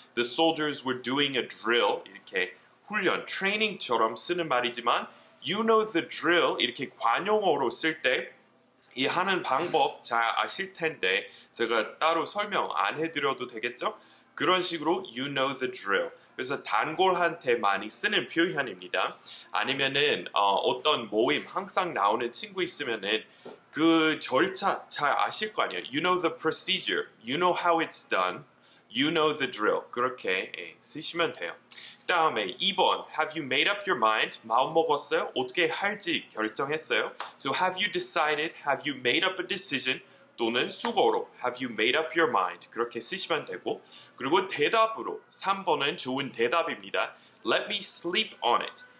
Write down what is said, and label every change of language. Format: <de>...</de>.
<en>The soldiers were doing a drill</en> <ko>이렇게 훈련, training처럼 쓰는 말이지만</ko> <en>You know the drill</en> <ko>이렇게 관용어로 쓸 때 이 하는 방법 잘 아실 텐데 제가 따로 설명 안 해드려도 되겠죠? 그런 식으로</ko> <en>You know the drill</en> <ko>그래서 단골한테 많이 쓰는 표현입니다. 아니면은 어떤 모임 항상 나오는 친구 있으면은 그 절차 잘 아실 거 아니에요.</ko> <en>You know the procedure You know how it's done You know the drill</en> <ko>그렇게 쓰시면 돼요. 다음에 2번</ko> <en>Have you made up your mind?</en> <ko>마음 먹었어요? 어떻게 할지 결정했어요?</ko> <en>So have you decided? Have you made up a decision?</en> <ko>또는 수고로</ko> <en>Have you made up your mind?</en> <ko>그렇게 쓰시면 되고 그리고 대답으로 3번은 좋은 대답입니다.</ko> <en>Let me sleep on it.</en>